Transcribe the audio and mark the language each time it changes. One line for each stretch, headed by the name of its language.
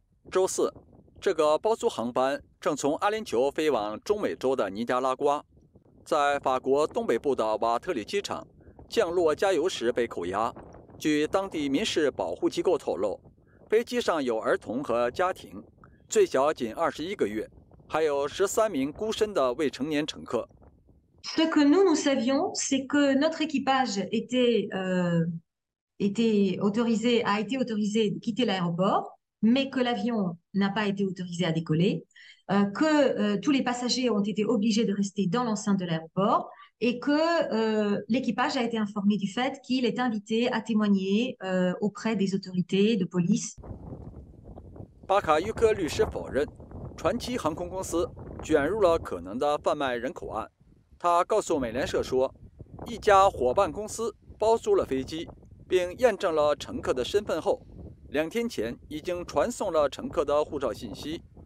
Chinese: 周四，这个包租航班正从阿联酋飞往中美洲的尼加拉瓜，在法国东北部的瓦特里机场降落加油时被扣押。据当地民事保护机构透露，飞机上有儿童和家庭，最小仅21个月，还有13名孤身的未成年乘客。
French: Ce que nous savions, c'est que notre équipage a été autorisé à quitter l'aéroport, mais que l'avion n'a pas été autorisé à décoller, que tous les passagers ont été obligés de rester dans l'enceinte de l'aéroport. Et que l'équipage a été informé du fait qu'il est invité à témoigner auprès des autorités de police.
Chinese: 巴卡·约克律师否认，传奇航空公司卷入了可能的贩卖人口案。他告诉美联社说，一家伙伴公司包租了飞机，并验证了乘客的身份后，2天前已经传送了乘客的护照信息。